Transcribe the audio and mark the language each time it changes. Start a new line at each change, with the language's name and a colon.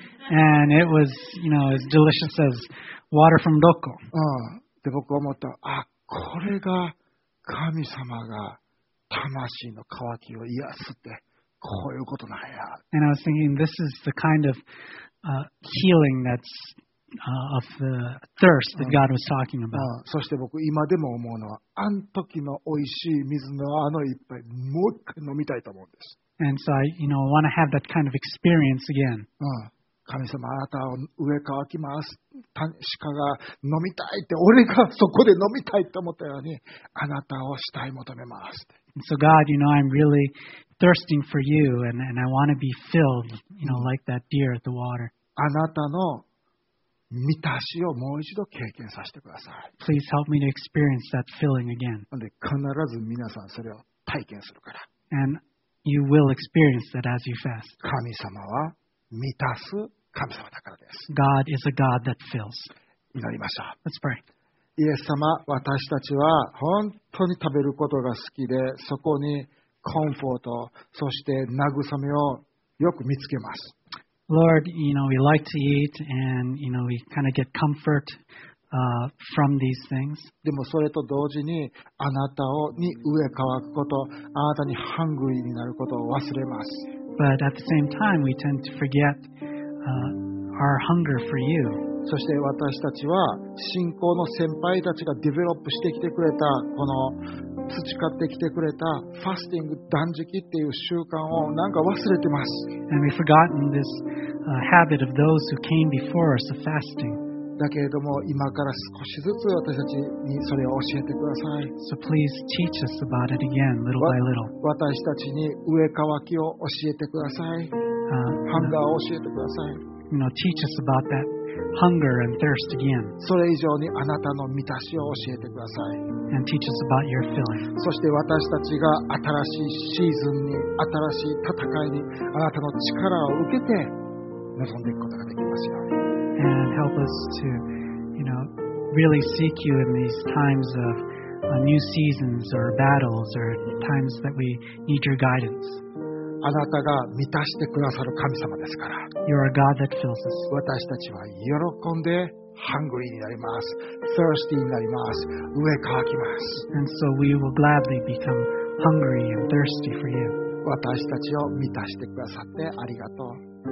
English: And it was, you know, as delicious as water from Rokko.
Japanese: で僕思った、あ、これが神様が魂の渇きを癒すってこういうことなんや。
English: And I was thinking, this is the kind of healing that'sof the thirst that God was talking about.
Japanese: そして僕今でも思うのは、あん時の美味しい水のあの一杯もう一回飲みたいと思うんです。
English: And so I, you know, want to have that kind of experience again.
Japanese: 神様、あなたを飢え渇きます。鹿が飲みたいって、俺がそこで飲みたいって思ったように、あなたを慕い求めます。
English: So God, you know, I'm really thirsting for you, and I want to be filled, you know, like that deer at the water.
Japanese: あなたの満たしをもう一度経験させてください。
English: Please help me to experience that feeling again.
Japanese: で必ず皆さんそれを体験するから。
English: And you will experience that as you fast.
Japanese: 神様は満たす神様だからです。
English: God is a God that fills.
Japanese: 祈りましょう。
English: Let's pray.
Japanese: イエス様、私たちは本当に食べることが好きで、そこにコンフォート、そして慰めをよく見つけます。
English: Lord, you know, we like to eat and, you know, we kind of get comfort, from these things.
Japanese: でもそれと同時に、あなたをに飢え渇くこと、あなたにハングリーになることを忘れます。
English: But at the same time, we tend to forget, our hunger for you.
Japanese: そして私たちは信仰の先輩たちがディベロップしてきてくれたこの培ってきてくれたファスティング断食っていう習慣をなんか忘れてます。
English: And we've forgotten this, habit of those who came before us of fasting.
Japanese: だけれども今から少しずつ私たちにそれを教えてください。
English: So please teach us about it again, little by little.
Japanese: 私たちに飢え渇きを教えてください。ハンガーを教えてください。
English: You know, teach us about thathunger and thirst again.
Japanese: それ以上にあなたの満たしを教えてください。
English: And teach us about your filling.
Japanese: そして私たちが新しいシーズンに、新しい戦いにあなたの力を受けて臨んでいくことができますように。
English: And help us to, you know, really seek you in these times of new seasons or battles or times that we need your guidance.
Japanese: あなたが満たしてくださる神様ですから。
English: You are a God that fills us.
Japanese: 私たちは喜んで、hungry になります。 thirsty になります。飢え渇きます。
English: And so we will gladly become hungry and thirsty for you.
Japanese: 私たちを満たしてくださってありがとう。